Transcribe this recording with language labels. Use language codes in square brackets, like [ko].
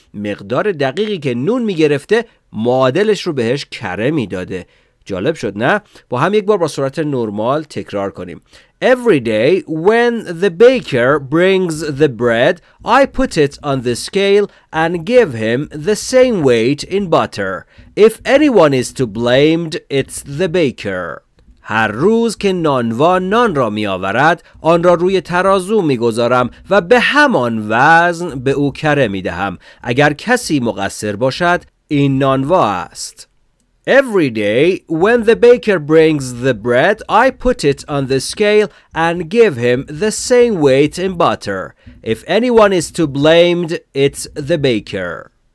[fa] مقدار دقیقی که نون میگرفته معادلش رو بهش کره میداده. جالب شد نه؟ با هم یک بار با صورت نرمال تکرار کنیم. [en] Every day when the baker brings the bread, I put it on the scale and give him the same weight in butter. If anyone is to blamed, it's the baker. [fa] هر روز که نانوا نان را می آورد، آن را روی ترازو می گذارم و به همان وزن به او کره می دهم. اگر کسی مقصر باشد، این نانوا است. [en] Every day when the baker brings the bread, I put it on the scale and give him the same weight in butter. If anyone is to blamed, it's the baker.